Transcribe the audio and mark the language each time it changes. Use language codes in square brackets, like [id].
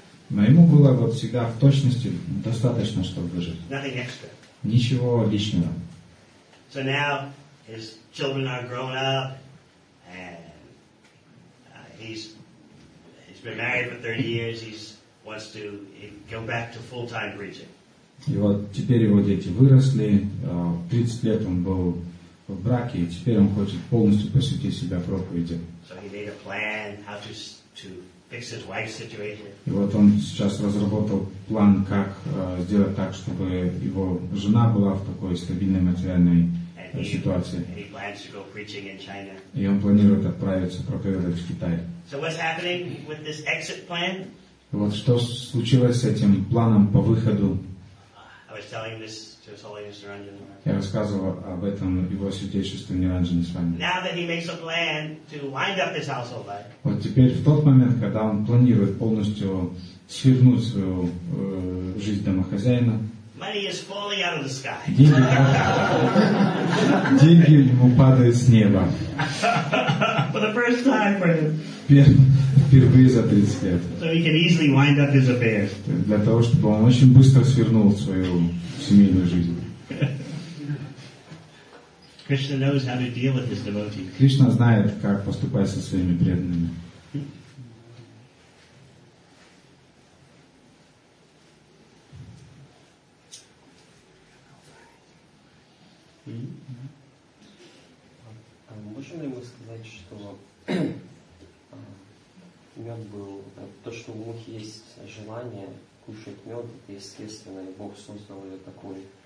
[ru] Но ему было вот всегда в точности достаточно, чтобы выжить. [en] Nothing extra. [ru] Ничего лишнего. [en] So now his children are grown up, and he's been married for 30 years. He wants to go back to full-time preaching. [ru] И вот теперь его дети выросли, 30 лет он был в браке, и теперь он хочет полностью посвятить себя проповеди. [en] So he made a plan how to fix his wife's situation. [ru] И вот он сейчас разработал план, как сделать так, чтобы его жена была в такой стабильной материальной ситуации. [en] And he plans to go preaching in China. [ru] И он планирует отправиться проповедовать в Китай. [en] So what's happening with this exit plan? [ru] И вот что случилось с этим планом по выходу? [en] I was telling this to His Holiness Niranjan. [ru] Я рассказывал об этом его святейшеству Ниранджан Свами. [en] Now that he makes a plan to wind up his household life. [ru] Вот теперь в тот момент, когда он планирует полностью свернуть свою жизнь домохозяина. [en] Money is falling out of the sky. [ru] Деньги ему падают с неба. [en] For the first time for him. [ru] Впервые за 30 лет. [en] So he can easily wind up his affairs. [ru] Для того, чтобы он очень быстро свернул свою семейную жизнь. [en] Krishna knows how to deal with his devotees. [ru] Кришна знает, как поступать со своими преданными. Можем ли мы сказать, что мед был, то, что у мухи есть желание кушать мед, это естественно, и Бог создал ее такой.